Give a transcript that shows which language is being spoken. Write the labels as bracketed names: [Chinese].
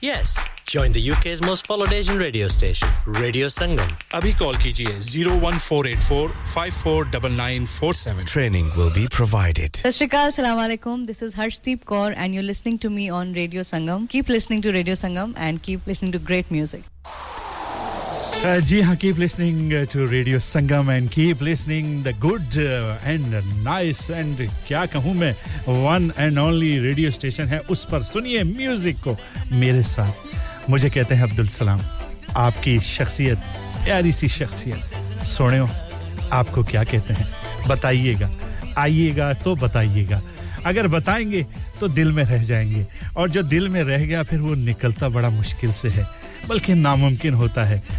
[English] Yes, join the UK's most followed Asian radio station radio Sangam. [Hindi] अभी call कीजिए 01484549947. [English] Training will be provided. सत श्री अकाल, अस्सलाम वालेकुम, this is Harshdeep Kaur and you are listening to me on radio Sangam. Keep listening to radio Sangam and keep listening to great music. [Hindi] जी हाँ, [English] keep listening to Radio Sangam and keep listening the good and nice and [Hindi] क्या कहूँ मैं, [English] one and only radio station है, [Hindi] उस पर सुनिए [English] music [Hindi] को मेरे साथ. मुझे कहते हैं अब्दुल सलाम, आपकी शख्सियत, प्यारी सी शख्सियत, सुने हो आपको क्या कहते हैं, बताइएगा, आइएगा तो बताइएगा, अगर बताएंगे तो दिल में रह जाएंगे और जो दिल में रह गया फिर वो निकलता बड़ा मुश्किल से है, बल्कि नामुमकिन होता है.